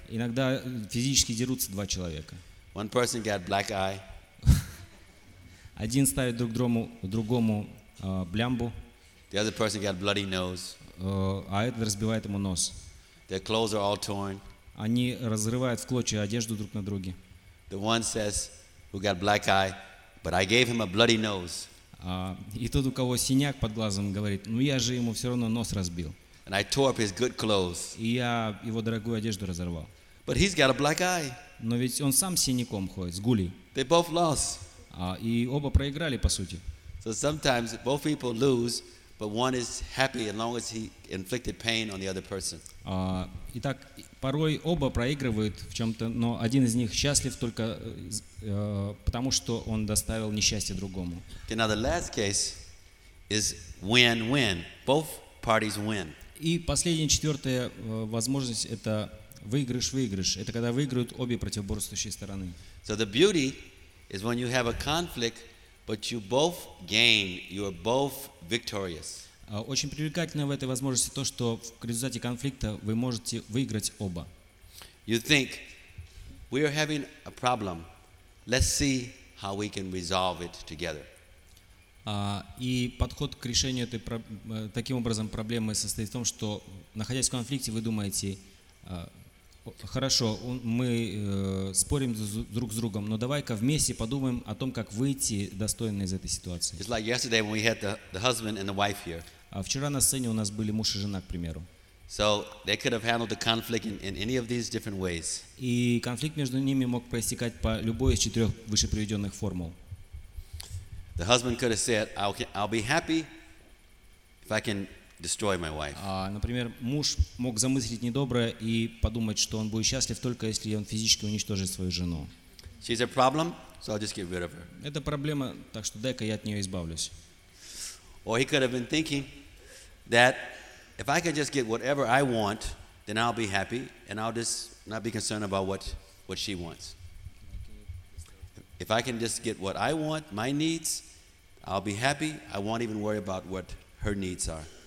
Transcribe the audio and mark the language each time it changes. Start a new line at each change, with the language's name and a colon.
Russian: Иногда физически дерутся два человека.
English: One person got black eye.
Russian: Один ставит другому блямбу.
English: The other person got bloody nose.
Russian: А этот разбивает ему нос.
English: Their clothes are all torn.
Russian: Они разрывают в клочья одежду друг на друге.
English: The one says, who got black eye, but I gave him a bloody nose.
Russian: И тот, у кого синяк под глазом, говорит, ну я же ему все равно нос разбил.
English: And I tore up his good clothes.
Russian: И я его дорогую одежду разорвал.
English: But he's got a black eye.
Russian: Но ведь он сам с синяком ходит, с гулей.
English: They both lost.
Russian: И оба проиграли, по сути.
English: So sometimes both people lose, but one is happy as long as he inflicted pain on the other person.
Russian: Итак, порой оба проигрывают в чем-то, но один из них счастлив только потому, что он доставил несчастье другому.
English: Okay, now the last case is win-win. Both parties win.
Russian: И последняя, четвертая возможность — это выигрыш-выигрыш. Это когда выигрывают обе противоборствующие стороны.
English: So the beauty is when you have a conflict, but you both gain, you are both victorious.
Russian: Очень привлекательно в этой возможности то, что в результате конфликта вы можете выиграть оба.
English: You think, we are having a problem. Let's see how we can resolve it together.
Russian: И подход к решению этой таким образом проблемы состоит в том, что, находясь в конфликте, вы думаете, хорошо, мы спорим друг с другом, но давай-ка вместе подумаем о том, как выйти достойно из этой ситуации.
English: It's like yesterday when we had the husband and the wife here.
Russian: Вчера на сцене у нас были муж и жена, к примеру.
English: So they could have handled the conflict in any of these different ways.
Russian: И конфликт между ними мог проистекать по любой из четырех вышеприведенных формул.
English: The husband could have said, I'll be happy if I can destroy my wife.
Russian: Например, муж мог замыслить недоброе и подумать, что он будет счастлив только если он физически уничтожит свою жену.
English: She's a problem, so I'll just get rid of her.
Russian: Это проблема, так что дай-ка я от нее избавлюсь.
English: Or he could have been thinking that if I could just get whatever I want, then I'll be happy and I'll just not be concerned about what she wants. If I can just get what I want, my needs, I'll be happy. I won't even worry about what her needs are.